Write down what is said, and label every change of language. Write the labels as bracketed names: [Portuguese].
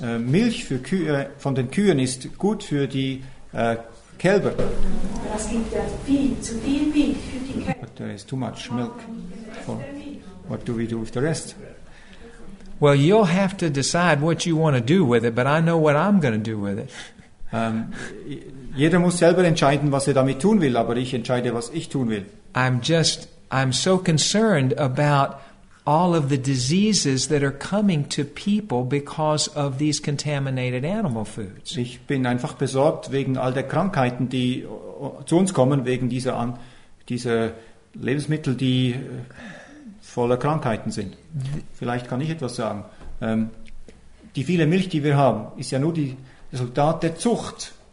[German] Milch für Kühe, von den Kühen ist gut für die Kälber. Es gibt ja viel zu viel Milch für die Kälber. [English] But there is too much milk for What do we do with the rest? Well, you'll have to decide what you want to do with it, but I know what I'm going to do with it. [German] Jeder muss selber entscheiden, was er damit tun will, aber ich entscheide, was ich tun will. [English] I'm so concerned about all of the diseases that are coming to people because of these contaminated animal foods. [German] Ich bin einfach besorgt wegen all der Krankheiten, die zu uns kommen, wegen dieser Lebensmittel, die voller Krankheiten sind. Vielleicht kann ich etwas sagen. Die viele Milch, die wir haben, ist ja nur die Resultat der Zucht.